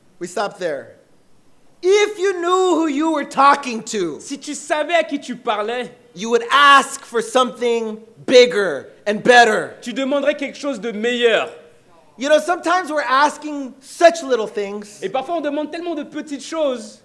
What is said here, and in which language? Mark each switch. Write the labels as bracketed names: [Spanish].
[English] We stop there. If you knew who you were talking to, [French] si tu savais à qui tu parlais, [English] you would ask for something bigger and better. [French] Tu demanderais quelque chose de meilleur. [English] You know, sometimes we're asking such little things. [French] Et parfois on demande tellement de petites choses.